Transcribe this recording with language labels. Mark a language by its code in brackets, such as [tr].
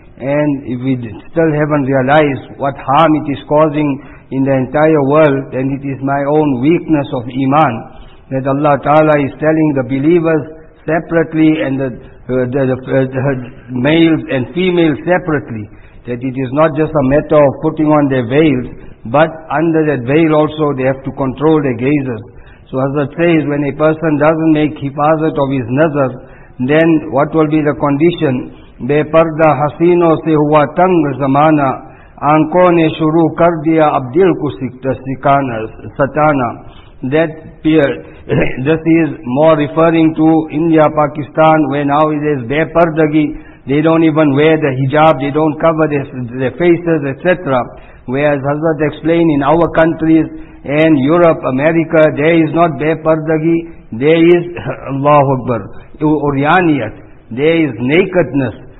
[en] And if we still haven't realized what harm it is causing in the entire world, then it is my own weakness of Iman that Allah Ta'ala is telling the believers separately and the males and females separately, that it is not just a matter of putting on their veils, but under that veil also they have to control their gazes. So Hazrat says, when a person doesn't make hifazat of his nazar, then what will be the condition? [ur] بے پردہ حسینوں سے ہوا تنگ زمانہ آنکھوں نے شروع کر دیا اب دل کو ستانا. [en] That period, this is more referring to India, Pakistan, where now it is بے پردگی. They don't even wear the hijab, they don't cover their faces, etc. Whereas Hazrat explained in our countries and Europe, America, there is not بے پردگی, there is [ur] Allah Akbar اوریانیت, [en] there is nakedness.